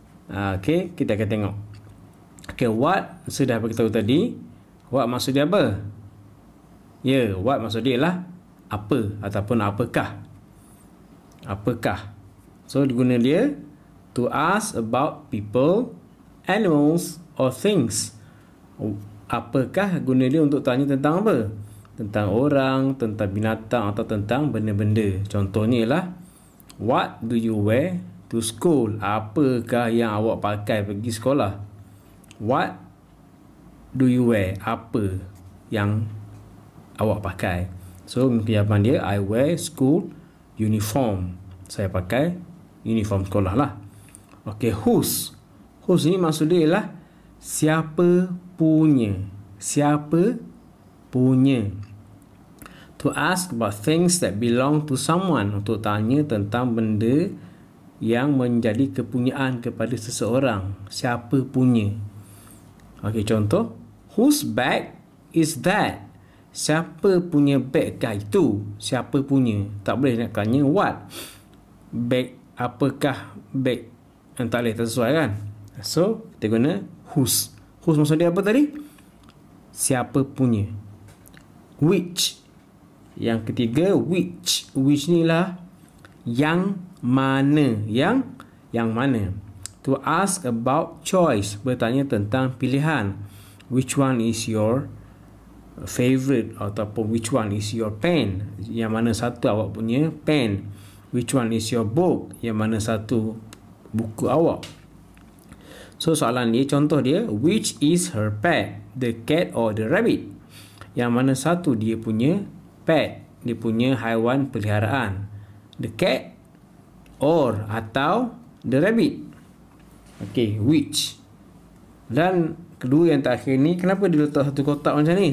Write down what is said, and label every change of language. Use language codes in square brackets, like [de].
[ms] Okay, kita akan tengok. Okay, what sudah beritahu tadi. What maksud dia apa? Yeah, what maksud dia lah apa ataupun apakah. Apakah. [en] So, [ms] diguna dia [en] to ask about people, animals or things. [ms] Apakah guna dia untuk tanya tentang apa? Tentang orang, tentang binatang atau tentang benda-benda. Contohnya ialah, [en] what do you wear to school? [ms] Apakah yang awak pakai pergi sekolah? [en] What do you wear? [ms] Apa yang awak pakai? [en] So, [ms] jawapan dia, [en] I wear school uniform. [ms] Saya pakai uniform sekolah lah. Okay, whose? Whose ni maksud dia ialah siapa punya. Siapa punya. [en] To ask about things that belong to someone. [ms] Untuk tanya tentang benda yang menjadi kepunyaan kepada seseorang. Siapa punya. Okay, contoh. [en] Whose bag is that? [ms] Siapa punya bag kah itu? Siapa punya? Tak boleh nak tanya what? Bag, apakah bag? Yang tak boleh, tak sesuai kan? So, kita guna whose. Whose maksud dia apa tadi? Siapa punya. Which. Yang ketiga, which. Which ni lah. Yang mana. Yang mana. [en] To ask about choice. [ms] Bertanya tentang pilihan. [en] Which one is your favorite ataupun which one is your pen? [ms] Yang mana satu awak punya pen? [en] Which one is your book? [ms] Yang mana satu buku awak? So soalan ni contoh dia, [en] which is her pet? The cat or the rabbit? [ms] Yang mana satu dia punya pet? Dia punya haiwan peliharaan. [en] The cat or [ms] atau [en] the rabbit? [ms] Okay, which? Dan kedua yang terakhir ni, kenapa dia letak satu kotak macam ni?